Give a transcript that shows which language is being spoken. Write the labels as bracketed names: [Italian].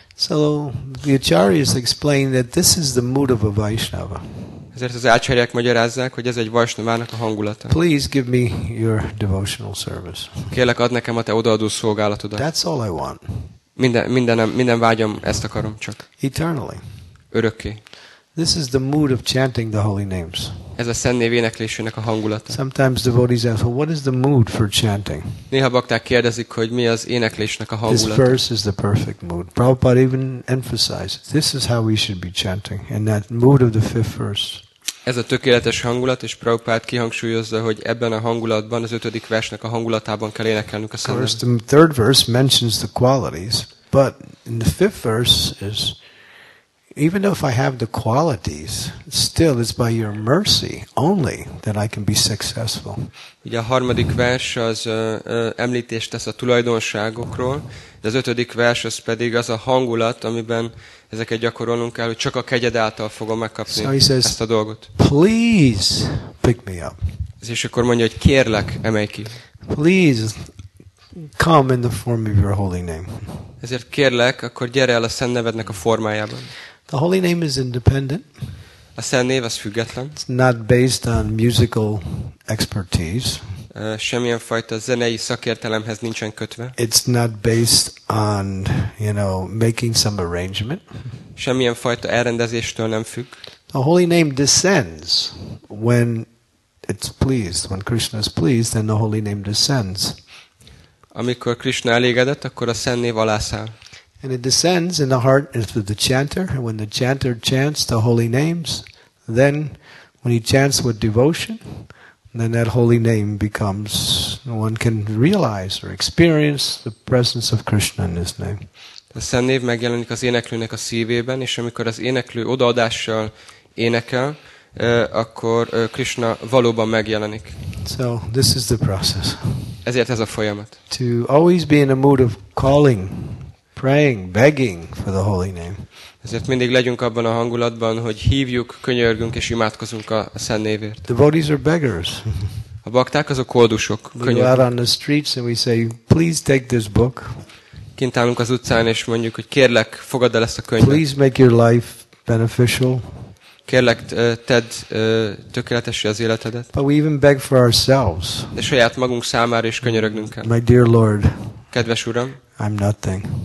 [English] So the acharyas explain that this is the mood of a Vaishnava. [Hungarian] Ezért az ácsárják magyarázzák, hogy ez egy Vaishnavának a hangulata. [English] Please give me your devotional service. [Hungarian] Kérlek, add nekem a te odaadó szolgálatodat. [English] That's all I want. [Hungarian] Minden vágyom, ezt akarom csak. [English] Eternally. [Hungarian] Örökké. [English] This is the mood of chanting the holy names. [Hungarian] Ez a szent név éneklésének a hangulata. [English] Sometimes devotees ask, well, what is the mood for chanting? [Hungarian] Néha bakták kérdezik, hogy mi az éneklésnek a hangulata. [English] This verse is the perfect mood. Prabhupada even emphasized, this is how we should be chanting, in that mood of the fifth verse. [Hungarian] Ez a tökéletes hangulat, és Prabhupada kihangsúlyozza, hogy ebben a hangulatban, az ötödik versnek a hangulatában kell énekelnünk a szent nevet. [English] The third verse mentions the qualities, but in the fifth verse is, even though if I have the qualities, still it's by your mercy only that I can be successful. [Hungarian] Ugye a harmadik vers az említést tesz a tulajdonságokról, de az ötödik vers az pedig az a hangulat, amiben ezeket gyakorolnunk kell, hogy csak a kegyed által fogom megkapni ezt a dolgot. [English] Please pick me up. [Hungarian] És akkor mondja, hogy kérlek, emelj ki. [English] Please come in the form of your holy name. [Hungarian] Ezért kérlek, akkor gyere el a szent nevednek a formájában. [English] The holy name is independent. [Hungarian] A szent név az független. [English] It's not based on musical expertise. [Hungarian] Semmilyen fajta zenei szakértelemhez nincsen kötve. [English] It's not based on, you know, making some arrangement. [Hungarian] Semmilyen fajta elrendezéstől nem függ. [English] The holy name descends when it's pleased. When Krishna is pleased, then the holy name descends. [Hungarian] Amikor Krishna elégedett, akkor a szent név alászáll. [English] And it descends in the heart of the chanter. And when the chanter chants the holy names, then when he chants with devotion, then that holy name becomes, one can realize or experience the presence of Krishna in his name. [Hungarian] A szent név megjelenik az éneklőnek a szívében, és amikor az éneklő odaadással énekel, akkor Krishna valóban megjelenik. [English] So this is the process. [Hungarian] Ezért ez a folyamat. [English] To always be in a mood of calling, praying, begging for the holy name. [Hungarian] Ezért mindig legyünk abban a hangulatban, hogy hívjuk, könyörgünk és imádkozunk a Szent névért. [English] The devotees are beggars. [Hungarian] A bakták azok koldusok. [English] Out on the streets and we say, please take this book. [Hungarian] Kint állunk az utcán és mondjuk, hogy kérlek, fogadd el ezt a könyvet. [English] Please make your life beneficial. [Hungarian] Kérlek, tedd tökéletessé az életedet. [English] But we even beg for ourselves. [Hungarian] De saját magunk számára is könyörögnünk kell. [English] My dear Lord. [Hungarian] Kedves Uram. [English] I'm nothing.